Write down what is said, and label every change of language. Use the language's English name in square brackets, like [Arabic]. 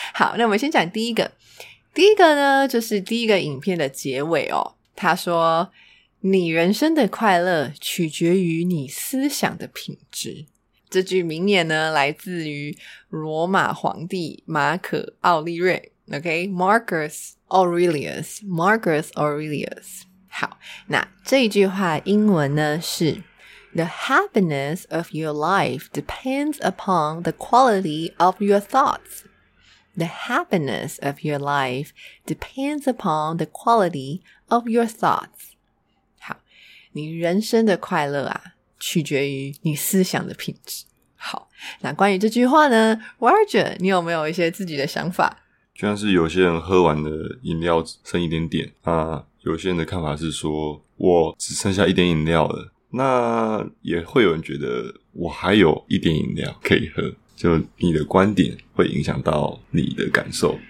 [Chinese] 好，那我们先讲第一个。第一个呢就是第一个影片的结尾哦，他说你人生的快乐取决于你思想的品质。这句名言呢来自于罗马皇帝马可奥利瑞 OK， Marcus Aurelius Marcus Aurelius。好，那这句话英文呢是 [English] The happiness of your life depends upon the quality of your thoughts The happiness of your life depends upon the quality of your thoughts。 [Chinese] 好，你人生的快乐啊取决于你思想的品质。好，那关于这句话呢 Roger 你有没有一些自己的想法？就像是有些人喝完的饮料剩一点点，那有些人的看法是说我只剩下一点饮料了，那也会有人觉得我还有一点饮料可以喝，就你的观点会影响到你的感受。